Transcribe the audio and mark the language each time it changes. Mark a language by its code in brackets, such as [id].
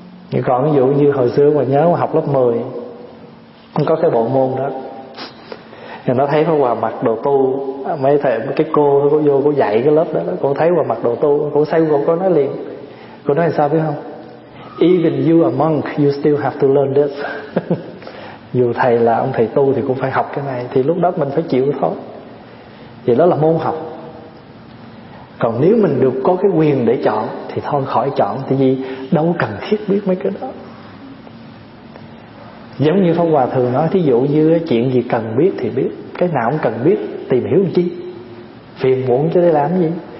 [vi] Nhưng còn ví dụ như hồi xưa mà nhớ mà học lớp 10 có cái bộ môn đó, thì nó thấy Pháp Hòa mặc đồ tu, mấy thầy cái cô có vô có dạy cái lớp đó, cô thấy Hòa mặc đồ tu, cô say cô nói liền, cô nói là sao biết không? [en] Even you a monk, you still have to learn this. [vi] Dù thầy là ông thầy tu thì cũng phải học cái này, thì lúc đó mình phải chịu thôi. Vì đó là môn học. Còn nếu mình được có cái quyền để chọn thì thôi khỏi chọn, tại vì đâu cần thiết biết mấy cái đó. Giống như Pháp Hòa thường nói, thí dụ như chuyện gì cần biết thì biết, cái nào cũng cần biết tìm hiểu làm chi, phiền muộn cho để làm gì.